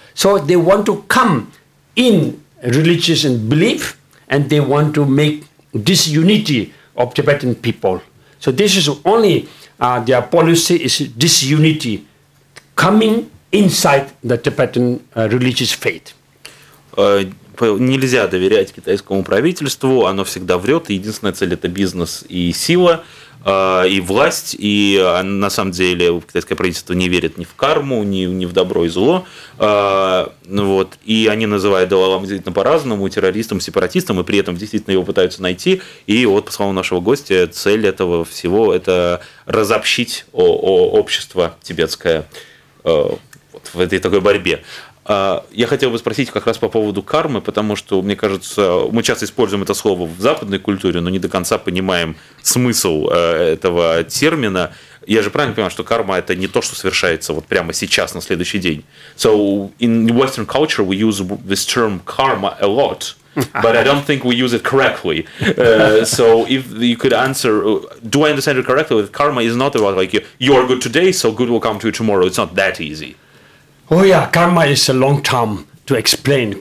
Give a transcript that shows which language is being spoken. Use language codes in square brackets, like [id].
[en] So they want to come in religious and belief, and they want to make this unity of Tibetan people. So this is only their policy is disunity coming inside the Tibetan religious faith. [ru] Нельзя доверять китайскому правительству, оно всегда врет, и единственная цель – это бизнес и сила, и власть, и на самом деле китайское правительство не верит ни в карму, ни в добро и зло, вот. И они называют Далай-ламу действительно по-разному, террористом, сепаратистом, и при этом действительно его пытаются найти, и вот, по словам нашего гостя, цель этого всего – это разобщить общество тибетское вот, в этой такой борьбе. Я хотел бы спросить как раз по поводу кармы, потому что, мне кажется, мы часто используем это слово в западной культуре, но не до конца понимаем смысл этого термина. Я же правильно понимаю, что карма – это не то, что совершается вот прямо сейчас, на следующий день. [en] So, in Western culture, we use this term karma a lot, but I don't think we use it correctly. So, if you could answer, do I understand it correctly? Karma is not about like, you are good today, so good will come to you tomorrow. It's not that easy. Oh yeah, karma is a long term to explain.